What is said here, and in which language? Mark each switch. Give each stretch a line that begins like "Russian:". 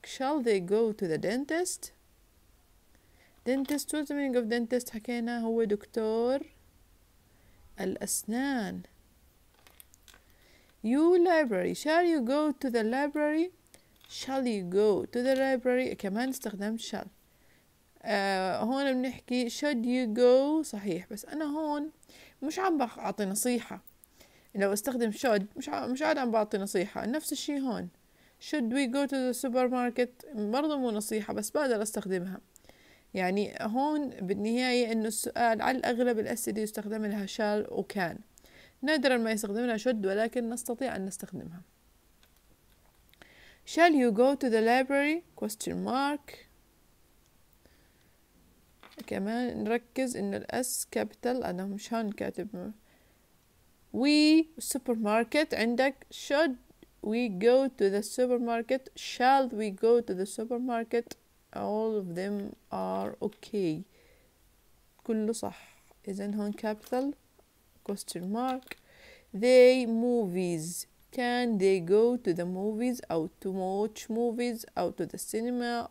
English: shall they go to the dentist. dentist what's the meaning of dentist.
Arabic: حكينا هو دكتور الأسنان.
English: you library shall you go to the library. shall you go to the library.
Arabic: كمان استخدم
English: shall.
Arabic: هون بنحكي
English: should you go
Arabic: صحيح، بس أنا هون مش عم بعطي نصيحة. لو استخدم should مش عاد عم بعطي نصيحة. نفس الشيء هون
English: should we go to the supermarket
Arabic: برضو مو نصيحة، بس بقدر استخدمها. يعني هون بالنهاية إنه السؤال على الأغلب الأسئلة يستخدم لها shall وكان، نادرا ما يستخدم لها should، ولكن نستطيع أن نستخدمها.
English: shall you go to the library question mark.
Arabic: كمان نركز إنه الأس كابيتال، أنا مش هون كاتب.
English: we supermarket عندك should we go to the supermarket. shall we go to the supermarket. all of them are okay.
Arabic: كله صح. إذن هون كابيتال
English: question mark. they movies can they go to the movies أو to watch movies أو to the cinema.